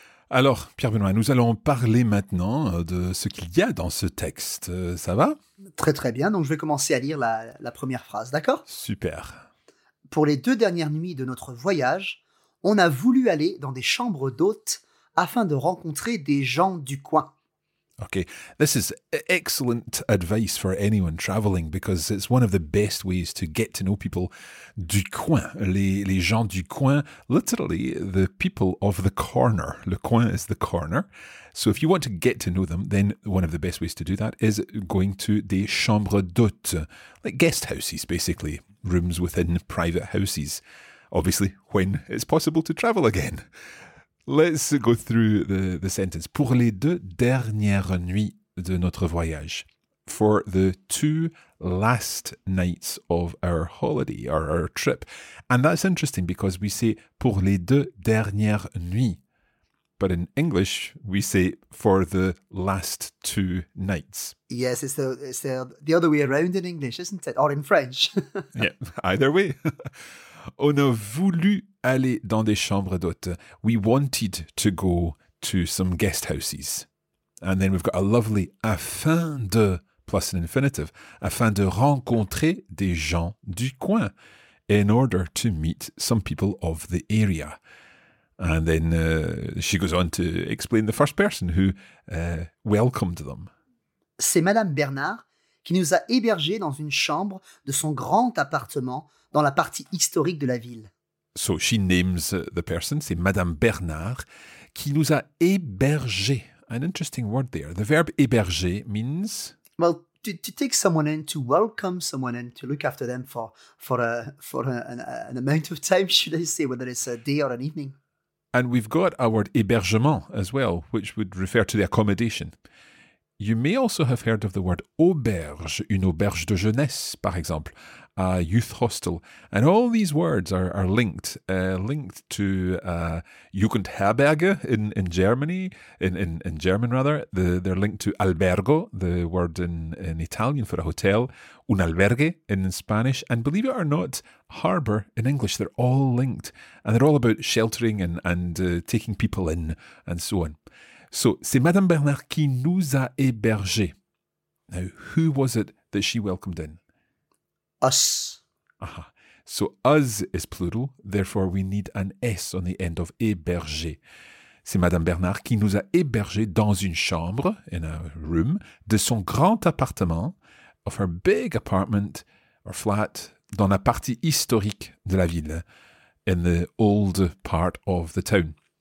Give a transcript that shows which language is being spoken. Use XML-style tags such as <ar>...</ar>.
<fr>Alors, Pierre-Benoît, nous allons parler maintenant de ce qu'il y a dans ce texte. Ça va? Très très bien, donc je vais commencer à lire la première phrase, d'accord? Super. Pour les deux dernières nuits de notre voyage, on a voulu aller dans des chambres d'hôtes afin de rencontrer des gens du coin.</fr> <en>Okay, this is excellent advice for anyone traveling because it's one of the best ways to get to know people</en> <fr>du coin, les gens du coin,</fr> <en>literally the people of the corner.</en> <fr>Le coin</fr> <en>is the corner. So if you want to get to know them, then one of the best ways to do that is going to</en> <fr>des chambres d'hôtes,</fr> <en>like guest houses, basically, rooms within private houses, obviously when it's possible to travel again. Let's go through the sentence.</en> <fr>Pour les deux dernières nuits de notre voyage.</fr> <en>For the two last nights of our holiday, or our trip. And that's interesting because we say</en> <fr>pour les deux dernières nuits.</fr> <en>But in English, we say for the last two nights. Yes, it's the other way around in English, isn't it? Or in French. Yeah, either way.</en> <fr>On a voulu aller dans des chambres d'hôtes.</fr> <en>We wanted to go to some guest houses. And then we've got a lovely</en> <fr>afin de, plus an infinitive, afin de rencontrer des gens du coin,</fr> <en>in order to meet some people of the area. And then she goes on to explain the first person who welcomed them.</en> <fr>C'est Madame Bernard qui nous a hébergés dans une chambre de son grand appartement dans la partie historique de la ville.</fr> <en>So she names the person,</en> <fr>c'est Madame Bernard, qui nous a hébergés.</fr> <en>An interesting word there. The verb héberger means... Well, to take someone in, to welcome someone in, to look after them for an amount of time, should I say, whether it's a day or an evening. And we've got our word hébergement as well, which would refer to the accommodation. You may also have heard of the word auberge,</en> <fr>une auberge de jeunesse, par exemple,</fr> <en>a youth hostel. And all these words are linked to Jugendherberge in Germany, in German rather. They're linked to albergo, the word in Italian for a hotel, un albergue in Spanish, and believe it or not, harbour in English. They're all linked, and they're all about sheltering and taking people in and so on.</en> <fr>So, c'est Madame Bernard qui nous a hébergés.</fr> <en>Now, who was it that she welcomed in? Us. Aha. So, us is plural. Therefore, we need an S on the end of héberger.</en> <fr>C'est Madame Bernard qui nous a hébergés dans une chambre,</fr> <en>in a room,</en> <fr>de son grand appartement,</fr> <en>of her big apartment, or flat,</en> <fr>dans la partie historique de la ville,</fr> <en>in the old part of the town.</en>